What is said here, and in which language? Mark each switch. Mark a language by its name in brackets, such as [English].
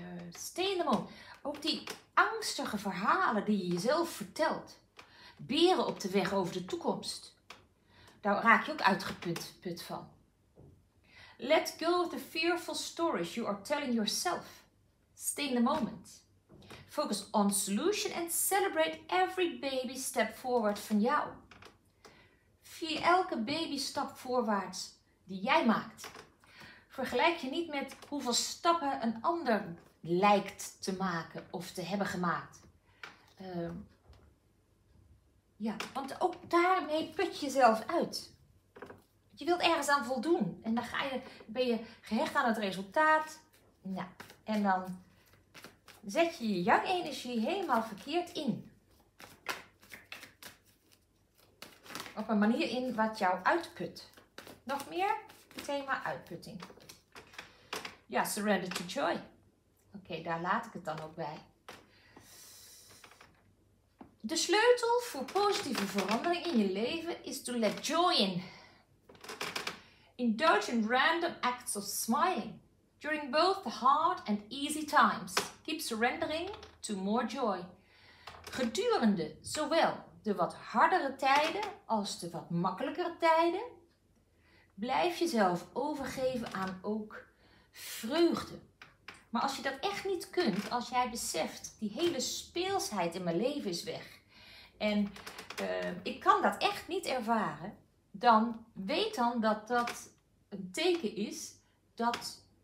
[English] Stay in the moment. [Dutch] Ook die angstige verhalen die je jezelf vertelt. Beren op de weg over de toekomst. Daar raak je ook uitgeput van. [English] Let go of the fearful stories you are telling yourself. Stay in the moment. Focus on solution and celebrate every baby step forward [Dutch] van jou. Vier elke baby stap voorwaarts die jij maakt. Vergelijk je niet met hoeveel stappen een ander lijkt te maken of te hebben gemaakt. Want ook daarmee put je jezelf uit. Je wilt ergens aan voldoen en dan ben je gehecht aan het resultaat. Nou, en dan zet je je young energie helemaal verkeerd in. Op een manier in wat jou uitput. Nog meer thema uitputting. Ja, [English] surrender to joy. [Dutch] Oké, daar laat ik het dan ook bij. De sleutel voor positieve verandering in je leven is [English] to let joy in. Indulge in random acts of smiling. During both the hard and easy times, keep surrendering to more joy. [Dutch] Gedurende zowel de wat hardere tijden als de wat makkelijkere tijden, blijf jezelf overgeven aan ook vreugde. Maar als je dat echt niet kunt, als jij beseft, die hele speelsheid in mijn leven is weg, en ik kan dat echt niet ervaren, dan weet dan dat dat een teken is dat.